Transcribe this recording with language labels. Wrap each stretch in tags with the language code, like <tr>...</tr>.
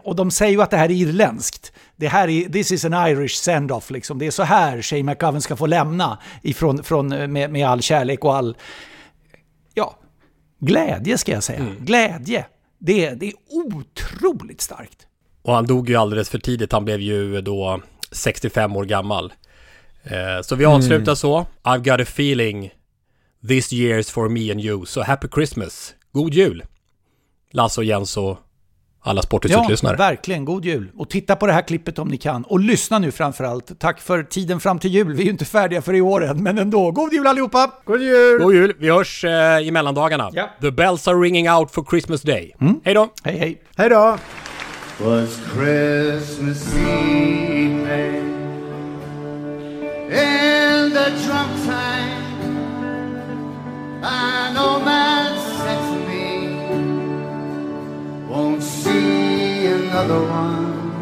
<sv>Och de säger ju att det här är irländskt. Det här är,</sv> <en>this is an Irish send-off</en> <sv>liksom. Det är så här Shane McGowan ska få lämna ifrån, med all kärlek och all ja, glädje ska jag säga. Mm. Glädje. Det är otroligt starkt. Och han dog ju alldeles för tidigt. Han blev ju då 65 år gammal. Så vi avslutar så.</sv> <en>I've got a feeling this year's for me and you. So happy Christmas.</en> <sv>God jul. Lasse och Jens och alla sportutsiktlyssnare. Ja, verkligen. God jul. Och titta på det här klippet om ni kan. Och lyssna nu framförallt. Tack för tiden fram till jul. Vi är ju inte färdiga för i år än, men ändå. God jul allihopa. God jul. God jul. Vi hörs i mellandagarna. Ja.</sv> <en>The bells are ringing out for Christmas Day.</en> <sv>Mm. Hej då. Hej, hej. Hej då.</sv> <en>Was Christmas Eve, in the drunk time, an old man said to me, won't see another one.</en>